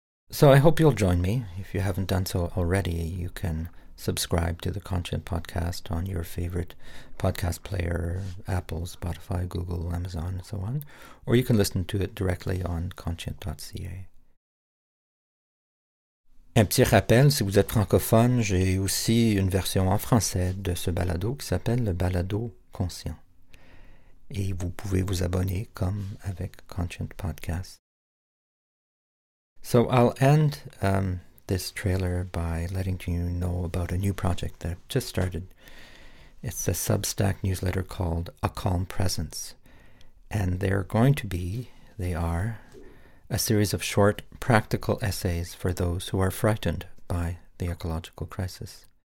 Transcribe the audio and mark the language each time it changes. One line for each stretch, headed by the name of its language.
English: So I hope you'll join me. If you haven't done so already, you can subscribe to the Conscient Podcast on your favorite podcast player, Apple, Spotify, Google, Amazon, and so on. Or you can listen to it directly on conscient.ca.
French: Un petit rappel, si vous êtes francophone, j'ai aussi une version en français de ce balado qui s'appelle le balado conscient. Et vous pouvez vous abonner comme avec Conscient Podcast.
English: So I'll end this trailer by letting you know about a new project that I've just started. It's a Substack newsletter called A Calm Presence. And they're going to be, they are, a series of short practical essays for those who are frightened by the ecological crisis.